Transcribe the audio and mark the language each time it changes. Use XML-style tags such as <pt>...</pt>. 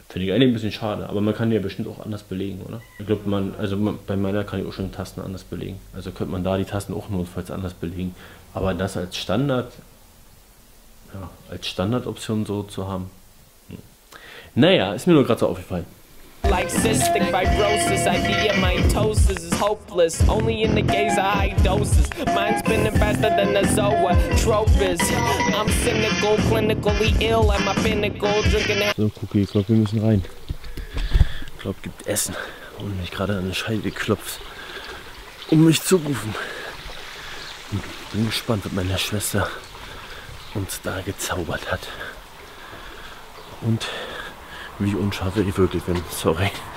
<de>Finde ich eigentlich ein bisschen schade, aber man kann die ja bestimmt auch anders belegen, oder? Ich glaube, bei meiner kann ich auch schon Tasten anders belegen. Also könnte man da die Tasten auch notfalls anders belegen. Aber das als Standard, ja, als Standardoption so zu haben. Naja, ist mir nur gerade so aufgefallen.</de> <en>Like cystic fibrosis, idea mitosis is hopeless. Only in the gaze of high doses. Mind's spinning faster than the zoetropes. I'm cynical, clinically ill, at my pinnacle drinking.</en> <de>So, Cookie, ich glaube, wir müssen rein. Ich glaube, es gibt Essen. Und mich gerade an den Scheide geklopft. Um mich zu rufen. Bin gespannt, was meine Schwester uns da gezaubert hat. Und wie unscharf ich wirklich bin, sorry.</de>